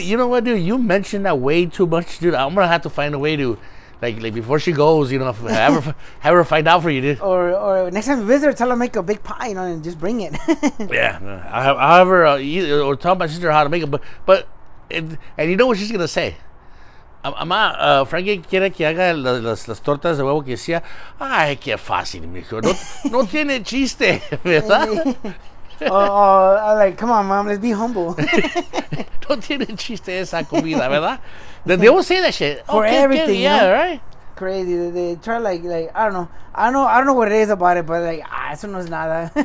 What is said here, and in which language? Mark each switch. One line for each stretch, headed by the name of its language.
English: You know what, dude? You mentioned that way too much, dude. I'm gonna have to find a way to, like before she goes, you know, have her find out for you, dude. Or next time you visit her, tell her to make a big pie, you know, and just bring it. Yeah. I'll have her, or tell my sister how to make it, but. And you know what she's going to say?
Spanish: Frankie quiere que haga las tortas de huevo que decía. Ay, qué fácil, mijo. No tiene chiste, ¿verdad?
English: Oh, I'm like, come on, mom, let's be humble.
Spanish: No tiene chiste esa comida, ¿verdad?
English: They always say that shit. For everything, yeah, right? crazy. They try like I don't know what it is about it, but like
Spanish: eso no es nada.